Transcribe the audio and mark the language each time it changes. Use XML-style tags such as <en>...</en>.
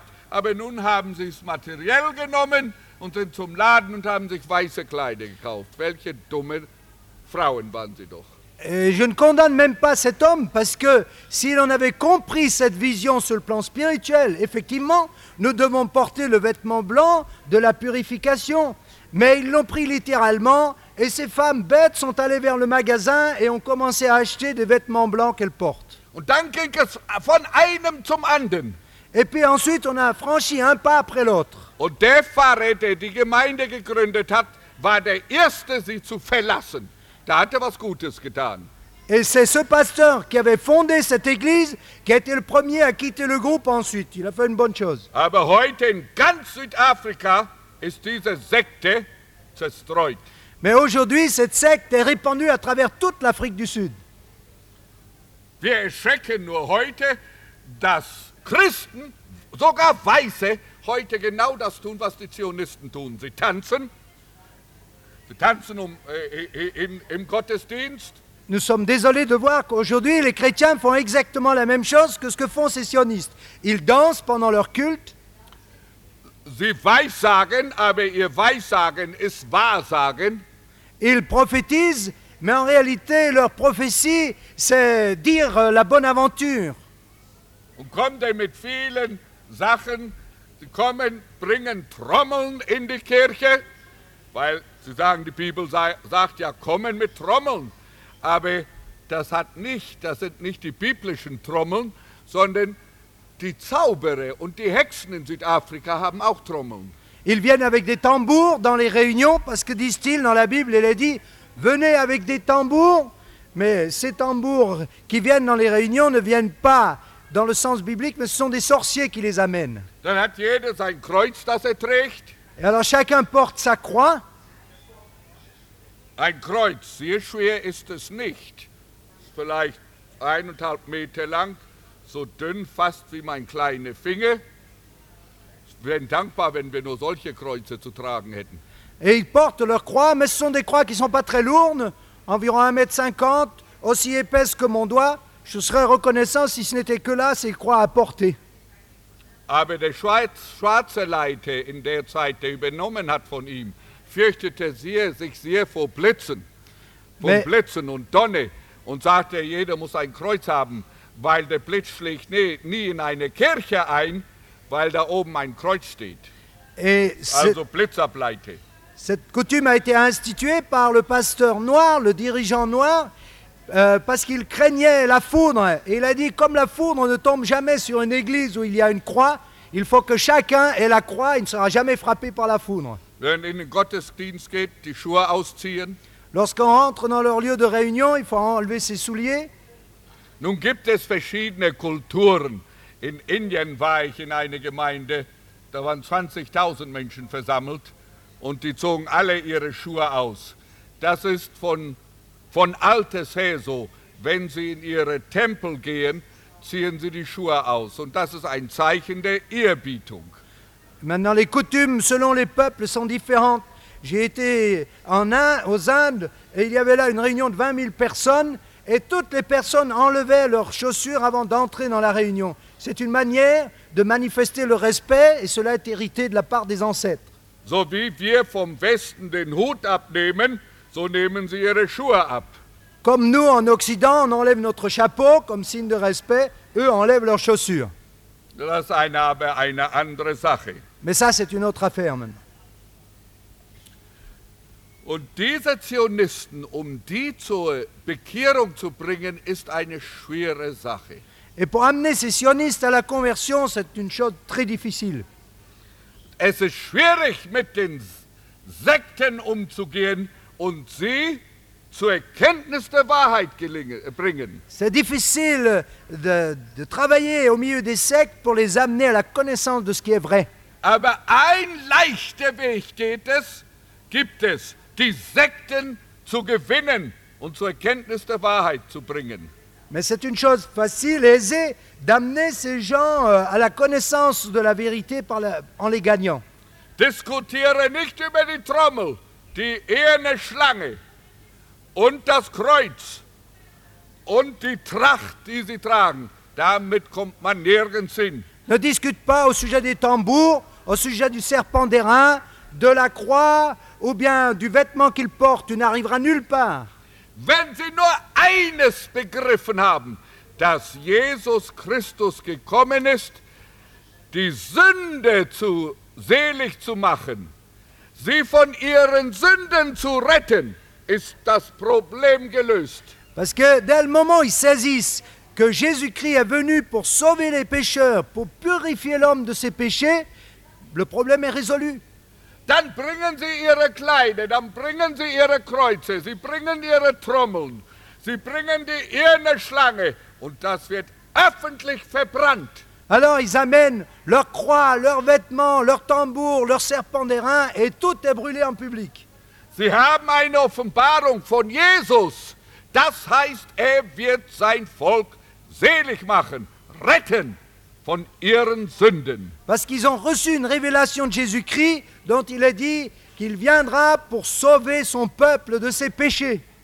<de>Aber nun haben Sie es materiell genommen und sind zum Laden und haben sich weiße Kleider gekauft. Welche dumme Frauen waren Sie doch.</de> <fr>Et je ne condamne même pas cet homme, parce que s'il en avait compris cette vision sur le plan spirituel, effectivement, nous devons porter le vêtement blanc de la purification. Mais ils l'ont pris littéralement, et ces femmes bêtes sont allées vers le magasin et ont commencé à acheter des vêtements blancs qu'elles portent.</fr> <de>Und dann ging es von einem zum anderen.</de> <fr>Et puis ensuite, on a franchi un pas après l'autre.</fr> <de>Und der Pfarrer, der die Gemeinde gegründet hat, war der Erste, sie zu verlassen. Da hat er was Gutes getan.</de> <fr>Et c'est ce pasteur qui avait fondé cette église qui a été le premier à quitter le groupe ensuite. Il a fait une bonne chose.</fr> <de>Aber heute in ganz Südafrika ist diese Sekte zerstreut.</de> <fr>Mais aujourd'hui, cette secte est répandue à travers toute l'Afrique du Sud.</fr> <de>Wir erschrecken nur heute, dass Christen, sogar Weiße, heute genau das tun, was die Zionisten tun. Sie tanzen. Sie tanzen im Gottesdienst.</de> <fr>Nous sommes désolés de voir qu'aujourd'hui les chrétiens font exactement la même chose que ce que font ces sionistes. Ils dansent pendant leur culte.</fr> <de>Sie weissagen, aber ihr Weissagen ist Wahrsagen.</de> <fr>Ils prophétisent, mais en réalité leur prophétie c'est dire la bonne aventure.</fr> <de>Und kommen denn mit vielen Sachen, sie kommen, bringen Trommeln in die Kirche, weil Sie sagen, die Bibel sagt ja, kommen mit Trommeln. Aber das hat nicht, das sind nicht die biblischen Trommeln, sondern die Zauberer und die Hexen in Südafrika haben auch Trommeln.</de> <fr>Ils viennent avec des tambours dans les réunions, parce que disent-ils dans la Bible, il est dit, venez avec des tambours, mais ces tambours qui viennent dans les réunions ne viennent pas dans le sens biblique, mais ce sont des sorciers qui les amènent.</fr> <de>Dann hat jeder sein Kreuz, das er trägt.</de> <fr>Et alors chacun porte sa croix.</fr> <de>Ein Kreuz, sehr schwer ist es nicht. Vielleicht 1,5 Meter lang, so dünn fast wie mein kleiner Finger. Wir wären dankbar, wenn wir nur solche Kreuze zu tragen hätten.</de> <fr>Et ils portent leur croix, mais ce sont des croix qui sont pas très lourdes, environ 1,50 m, aussi épaisses que mon doigt. Je serais reconnaissant, si ce n'était que là, ces croix à porter.</fr> <de>Aber der schwarze Leiter in der Zeit, der übernommen hat von ihm, fürchtete sich sehr vor Blitzen, Blitzen und Donne und sagte, jeder muss ein Kreuz haben, weil der Blitz schlägt nie in eine Kirche ein, weil da oben ein Kreuz steht.</de> <fr>Et</fr> <de>also Blitzableite.</de> <fr>Cette coutume a été instituée par le pasteur noir, le dirigeant noir, parce qu'il craignait la foudre. Et il a dit, comme la foudre ne tombe jamais sur une église où il y a une croix, il faut que chacun ait la croix, il ne sera jamais frappé par la foudre.</fr> <de>Wenn in den Gottesdienst geht, die Schuhe ausziehen.</de> <fr>Lorsqu'on rentre dans leur lieu de réunion, il faut enlever ses souliers.</fr> <de>Nun gibt es verschiedene Kulturen. In Indien war ich in einer Gemeinde, da waren 20.000 Menschen versammelt und die zogen alle ihre Schuhe aus. Das ist von altes her so. Wenn sie in ihre Tempel gehen, ziehen sie die Schuhe aus. Und das ist ein Zeichen der Ehrbietung.</de> <fr>Maintenant, les coutumes selon les peuples sont différentes. J'ai été aux Indes et il y avait là une réunion de 20 000 personnes et toutes les personnes enlevaient leurs chaussures avant d'entrer dans la réunion. C'est une manière de manifester le respect et cela est hérité de la part des ancêtres.</fr> <de>So wie wir vom Westen den Hut abnehmen, so nehmen sie ihre Schuhe ab.</de> <fr>Comme nous en Occident, on enlève notre chapeau comme signe de respect, eux enlèvent leurs chaussures.</fr> <de>Das ist aber eine andere Sache.</de> <fr>Mais ça, c'est une autre affaire, man.</fr> <de>Und diese Zionisten, um die zur Bekehrung zu bringen, ist eine schwere Sache.</de> <fr>Et pour amener ces sionistes à la conversion, c'est une chose très difficile.</fr> <de>Es ist schwierig, mit den Sekten umzugehen und sie zur Erkenntnis der Wahrheit bringen.</de> <fr>C'est difficile de travailler au milieu des sectes pour les amener à la connaissance de ce qui est vrai.</fr> <de>Aber ein leichter Weg geht es, gibt es, die Sekten zu gewinnen und zur Erkenntnis der Wahrheit zu bringen.</de> <fr>Mais c'est une chose facile, aisée, d'amener ces gens à la connaissance de la vérité par la, en les gagnant.</fr> <de>Diskutiere nicht über die Trommel, die eherne Schlange und das Kreuz und die Tracht, die sie tragen. Damit kommt man nirgends hin.</de> <fr>Ne discute pas au sujet des tambours, au sujet du serpent d'airain, de la croix ou bien du vêtement qu'ils portent. Tu n'arriveras nulle part.</fr> <de>Wenn sie nur eines begriffen haben, dass Jesus Christus gekommen ist, die Sünde zu selig zu machen, sie von ihren Sünden zu retten, ist das Problem gelöst.</de> <fr>Parce que dès le moment ils saisissent que Jésus-Christ est venu pour sauver les pécheurs, pour purifier l'homme de ses péchés, le problème est résolu.</fr> <de>Dann bringen sie ihre Kleider, dann bringen sie ihre Kreuze, sie bringen ihre Trommeln, sie bringen die eherne Schlange und das wird öffentlich verbrannt.</de> <fr>Alors ils amènent leur croix, leurs vêtements, leur tambour, leur serpent d'airain et tout est brûlé en public.</fr> <de>Sie haben eine Offenbarung von Jesus. Das heißt, er wird sein Volk selig machen, retten von ihren Sünden.</de> <fr>Parce qu'ils ont reçu une révélation de Jésus-Christ, dont il est dit qu'il viendra pour sauver son peuple de ses péchés.</fr>